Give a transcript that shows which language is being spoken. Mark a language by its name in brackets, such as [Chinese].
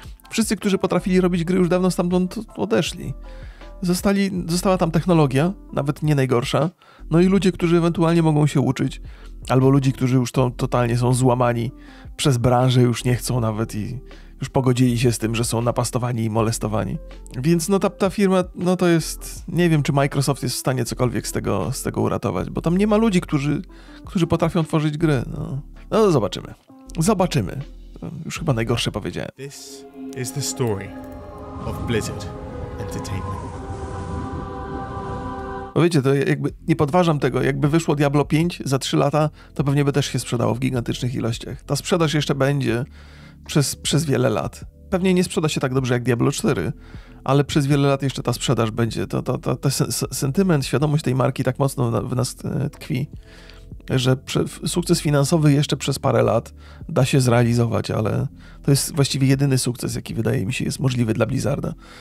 [Polish] Wszyscy, którzy potrafili robić gry, już dawno stamtąd odeszli. Została tam technologia, nawet nie najgorsza, no i ludzie, którzy ewentualnie mogą się uczyć, albo ludzi, którzy już to totalnie są złamani przez branżę, już nie chcą nawet i już pogodzili się z tym, że są napastowani i molestowani. Więc no ta firma, no to jest, nie wiem, czy Microsoft jest w stanie cokolwiek z tego uratować, bo tam nie ma ludzi, którzy potrafią tworzyć gry. No to zobaczymy. Zobaczymy. Już chyba najgorsze powiedziałem. [English] This is the story of Blizzard Entertainment. [Polish] No wiecie, to jakby, nie podważam tego, jakby wyszło Diablo 5 za 3 lata, to pewnie by też się sprzedało w gigantycznych ilościach. Ta sprzedaż jeszcze będzie przez wiele lat. Pewnie nie sprzeda się tak dobrze jak Diablo 4, ale przez wiele lat jeszcze ta sprzedaż będzie. Ten sentyment, świadomość tej marki tak mocno w nas tkwi, że sukces finansowy jeszcze przez parę lat da się zrealizować, ale to jest właściwie jedyny sukces, jaki wydaje mi się jest możliwy dla Blizzarda.